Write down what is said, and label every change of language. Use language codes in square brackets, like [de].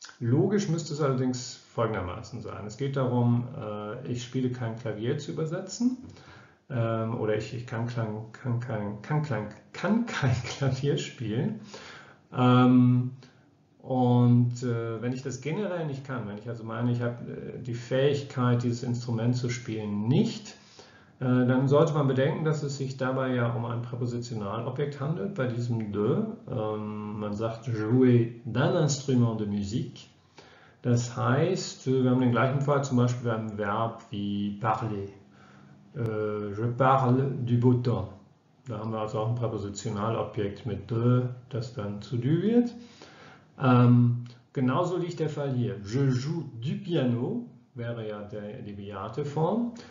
[de] Logisch müsste es allerdings folgendermaßen sein. Es geht darum, ich spiele kein Klavier zu übersetzen oder ich kann kein Klavier spielen. Und wenn ich das generell nicht kann, wenn ich also meine, ich habe die Fähigkeit, dieses Instrument zu spielen, nicht, dann sollte man bedenken, dass es sich dabei ja um ein Präpositionalobjekt handelt, bei diesem de. Man sagt, [fr] jouer d'un instrument de musique. [de] Das heißt, wir haben den gleichen Fall zum Beispiel bei einem Verb wie parler. [fr] Je parle du beau temps. [de] Da haben wir also auch ein Präpositionalobjekt mit de, das dann zu du wird. Genauso liegt der Fall hier. [fr] Je joue du piano [de] wäre ja die bejahte Form.